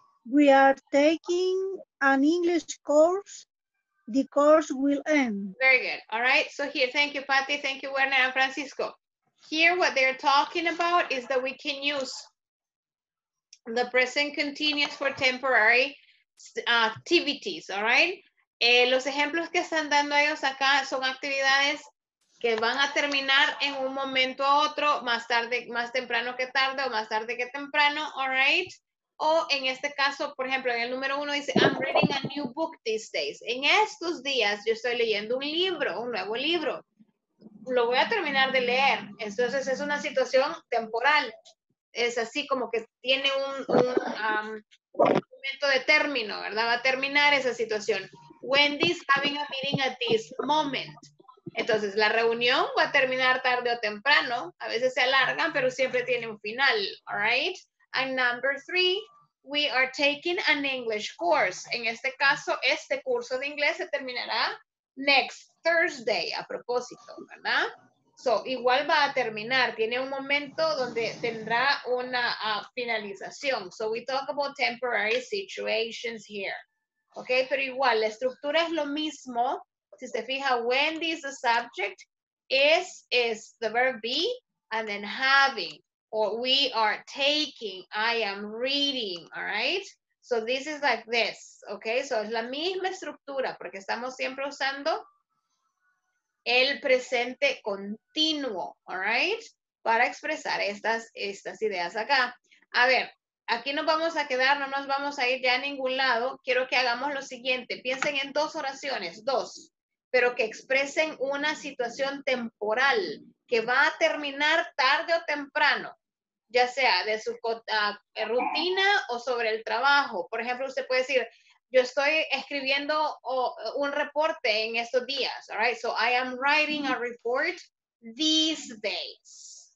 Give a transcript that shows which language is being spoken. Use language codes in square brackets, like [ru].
[en] We are taking an English course. The course will end. Very good. All right. So here, thank you, Patty. Thank you, Werner and Francisco. Here, what they're talking about is that we can use the present continuous for temporary activities. All right. [es] Los ejemplos que están dando ellos acá son actividades que van a terminar en un momento a otro, más tarde, más temprano que tarde o más tarde que temprano. [en] All right. [es] O en este caso, por ejemplo, en el número uno dice, [en] I'm reading a new book these days. [es] En estos días yo estoy leyendo un libro, un nuevo libro. Lo voy a terminar de leer. Entonces es una situación temporal. Es así como que tiene un momento de término, ¿verdad? Va a terminar esa situación. [en] Wendy's having a meeting at this moment. [es] Entonces la reunión va a terminar tarde o temprano. A veces se alargan, pero siempre tiene un final. [en] All right. And number three, we are taking an English course. [es] En este caso, este curso de inglés se terminará [en] next Thursday, [es] a propósito, ¿verdad? So, igual va a terminar. Tiene un momento donde tendrá una finalización. [en] So, we talk about temporary situations here. [es] Okay, pero igual, la estructura es lo mismo. Si se fija, [en] Wendy is the subject, is the verb be, and then having. Or we are taking, I am reading, all right? So this is like this, okay? So [es] es la misma estructura, porque estamos siempre usando el presente continuo, [en] all right? [es] Para expresar estas ideas acá. A ver, aquí nos vamos a quedar, no nos vamos a ir ya a ningún lado. Quiero que hagamos lo siguiente, piensen en dos oraciones, dos, pero que expresen una situación temporal que va a terminar tarde o temprano. Ya sea de su rutina o sobre el trabajo. Por ejemplo, usted puede decir, yo estoy escribiendo un reporte en estos días. [en] All right, so I am writing a report these days.